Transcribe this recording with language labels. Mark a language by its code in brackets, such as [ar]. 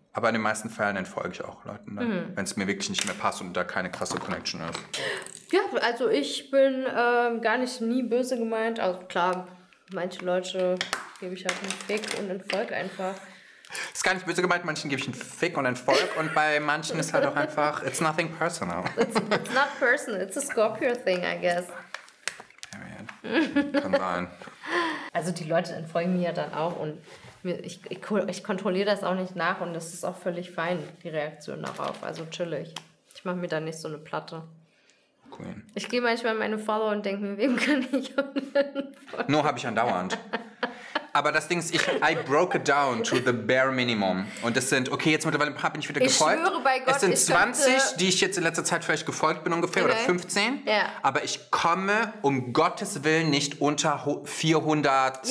[de] Aber in den meisten Fällen entfolge ich auch Leuten, wenn es mir wirklich nicht mehr passt und da keine krasse Connection ist. Ja, also ich bin gar nicht nie böse gemeint. Also klar, manche Leute gebe ich halt einen Fick und entfolge einfach. Ist gar nicht böse gemeint, manchen gebe ich einen Fick und einen Volk und bei manchen ist halt auch einfach, [en] it's nothing personal. It's not personal, it's a Scorpio thing, I guess. [de] Kann sein. Also die Leute entfolgen mir ja dann auch und ich kontrolliere das auch nicht nach und das ist auch völlig fein, die Reaktion darauf, also chillig. Ich mache mir da nicht so eine Platte. Queen. Ich gehe manchmal meine Follower und denke mir, wem kann ich entfolgen? Nur habe ich andauernd. Aber das Ding ist, [en] I broke it down to the bare minimum. [de] Und es sind, okay, jetzt mittlerweile bin ich wieder gefolgt. Ich schwöre bei Gott, es sind 20, die ich jetzt in letzter Zeit vielleicht gefolgt bin ungefähr, oder 15. Ja. Aber ich komme um Gottes Willen nicht unter 480 oder so.